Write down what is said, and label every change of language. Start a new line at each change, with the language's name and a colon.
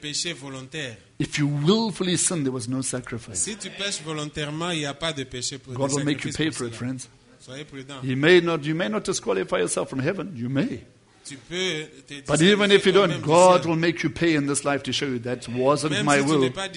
English: If you willfully sin, there was no sacrifice.
French: Si tu pêches volontairement, il y a pas de péché pour
English: God will make you pay for it, friends. You may not disqualify yourself from heaven. You may. But even if you don't, God will make you pay in this life to show you that wasn't my will.